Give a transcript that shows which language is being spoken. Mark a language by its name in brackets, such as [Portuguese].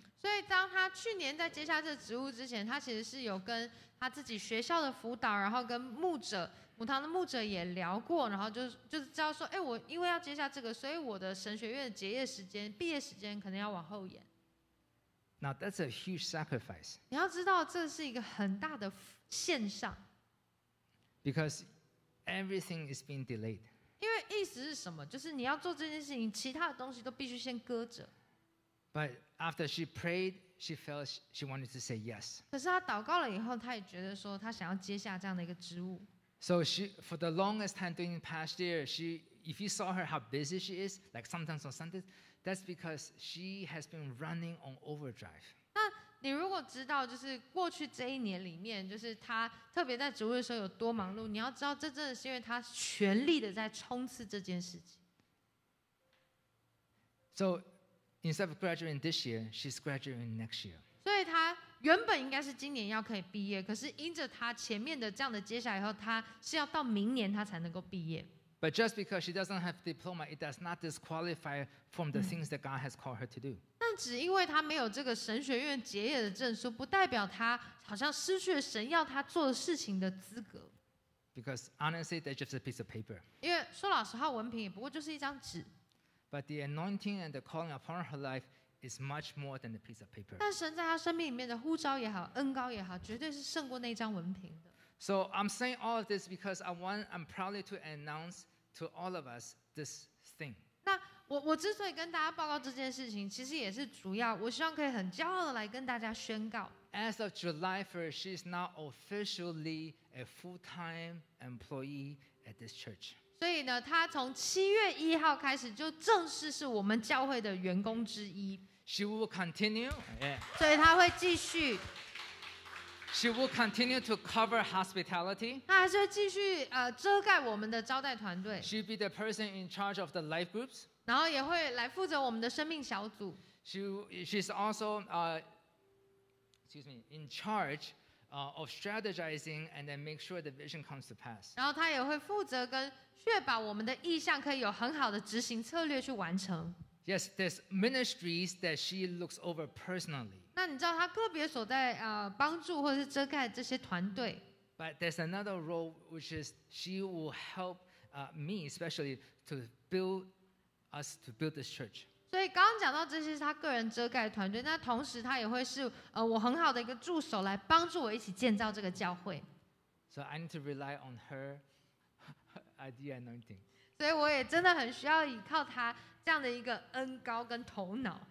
[Chinese] 所以当他去年在接下这个职务之前，他其实是有跟他自己学校的辅导，然后跟牧者。母堂的牧者也聊过，然后就是知道说，哎，我因为要接下这个，所以我的神学院的结业时间、毕业时间可能要往后延。 [English] Now that's a huge sacrifice. [Chinese] 你要知道，这是一个很大的献上。 [English] Because everything is being delayed. [Chinese] 因为意思是什么？就是你要做这件事情，其他的东西都必须先搁着。 [English] But after she prayed, she felt she wanted to say yes. [Chinese] 可是她祷告了以后，她也觉得说，她想要接下这样的一个职务。 [English] So she, for the longest time during the past year, she, if you saw her how busy she is, like sometimes on Sundays, that's because she has been running on overdrive. [Chinese] 那你如果知道，就是过去这一年里面，就是她特别在职务的时候有多忙碌，你要知道，这真的是因为她全力的在冲刺这件事情。 [English] So instead of graduating this year, she's graduating next year. [Chinese] 所以她。原本应该是今年要可以毕业，可是因着他前面的这样的接下来以后，他是要到明年他才能够毕业。 [English] But just because she doesn't have diploma, it does not disqualify from the things that God has called her to do. [Chinese] 但只因为他没有这个神学院结业的证书，不代表他好像失去了神要他做的事情的资格。 [English] Because honestly, that's just a piece of paper. [Chinese] 因为说老实话，文凭也不过就是一张纸。 [English] But the anointing and the calling upon her life. Is much more than a piece of paper. [Chinese] 但神在他生命里面的呼召也好，恩膏也好，绝对是胜过那张文凭的。 [English] So I'm saying all of this because I'm proudly to announce to all of us this thing. [Chinese] 那我之所以跟大家报告这件事情，其实也是主要，我希望可以很骄傲的来跟大家宣告。 [English] As of July 1st, she is now officially a full-time employee at this church. [Chinese] 所以呢，她从七月一号开始就正式是我们教会的员工之一。 [English] She will continue.、Yeah. [Chinese] 所以她会继续。 [English] She will continue to cover hospitality. [Chinese] 她还是会继续遮盖我们的招待团队。 [English] She'll be the person in charge of the life groups. [Chinese] 然后也会来负责我们的生命小组。 [English] She's also in charge of strategizing and then make sure the vision comes to pass. [Chinese] 然后她也会负责跟确保我们的意向可以有很好的执行策略去完成。 [English] Yes, there's ministries that she looks over personally. [Chinese] 那你知道她个别所在帮助或是遮盖这些团队。 [English] But there's another role which is she will help me especially to build us to build this church. [Chinese] 所以刚刚讲到这些是她个人遮盖团队，那同时她也会是我很好的一个助手来帮助我一起建造这个教会。 [English] So I need to rely on her I need anointing. [Chinese] 所以我也真的很需要依靠他这样的一个恩膏跟头脑。